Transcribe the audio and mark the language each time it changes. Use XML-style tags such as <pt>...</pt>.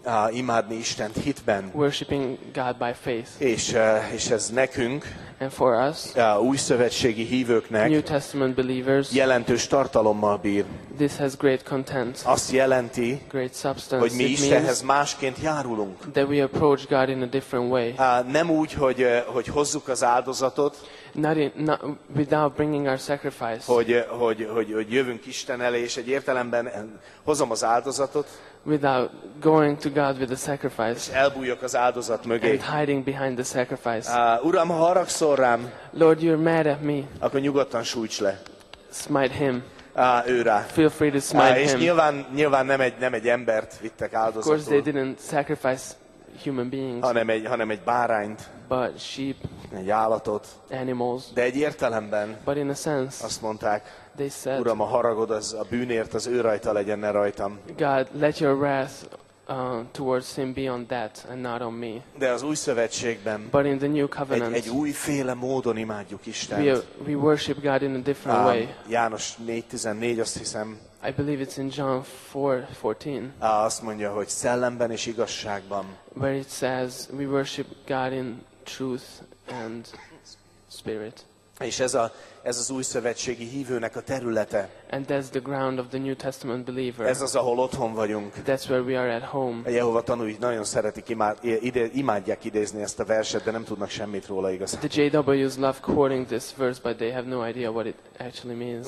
<hu>Imádni Istent hitben.</hu> <en>Worshiping God by faith.</en> <hu>És ez nekünk,</hu> <en>and for us,</en> <hu>új szövetségi hívőknek,</hu> <en>New Testament believers,</en> <hu>jelentős tartalommal bír.</hu> <en>This has great content.</en> <hu>Azt jelenti,</hu> <en>great substance.</en> <hu>Hogy mi Istenhez másként járulunk.</hu> <en>That we approach God in a different way.</en> <hu>Nem úgy, hogy hozzuk az áldozatot.</hu> <en>Not without bringing our sacrifice.</en> <hu>Hogy jövünk Isten elé, és egy értelemben hozom az áldozatot.</hu> <en>Without going to God with a sacrifice.</en> <hu>És elbújok az áldozat mögé.</hu> <en>And hiding behind the sacrifice.</en> <hu>Uram, ha haragszol rám.</hu> <en>Lord, you're mad at me.</en> <hu>Akkor nyugodtan sújts le.</hu> <en>Smite him.</en> <hu>Őrá.</hu> <en>Feel free to smite</en> <hu>és</hu> <en>him.</en> <hu>És nyilván nem egy embert vittek áldozatul.</hu> <en>Of course they didn't sacrifice human beings.</en> <hu>Hanem egy bárányt.</hu> <en>But sheep.</en> <hu>Egy állatot.</hu> <en>Animals.</en> <hu>De egy értelemben.</hu> <en>But in a sense.</en> <hu>Azt mondták.</hu> <en>They said,</en> <hu>Uram, a haragod az a bűnért, az ő rajta legyen, ne rajtam.</hu> <en>God, let your wrath towards sin be on that and not on me.</en> <hu>De az új szövetségben,</hu> <en>but in the new covenant,</en> <hu>egy újféle módon imádjuk Istent.</hu> <en>We worship God in a different way.</en> <hu>János 4:14, azt hiszem.</hu> <en>I believe it's in John 4:14.</en> <hu>Azt mondja, hogy szellemben és igazságban.</hu> <en>Where it says we worship God in truth and spirit.</en> <hu>És ez az új szövetségi hívőnek a területe.</hu> <en>And that's the ground of the New Testament believer.</en> <hu>Ez az, ahol otthon vagyunk.</hu> <en>That's where we are at home.</en> <hu>A Jehova tanúi nagyon szeretik imádják idézni ezt a verset, de nem tudnak semmit róla igazán.</hu> <en>The JWs love quoting this verse, but they have no idea what it actually means.</en>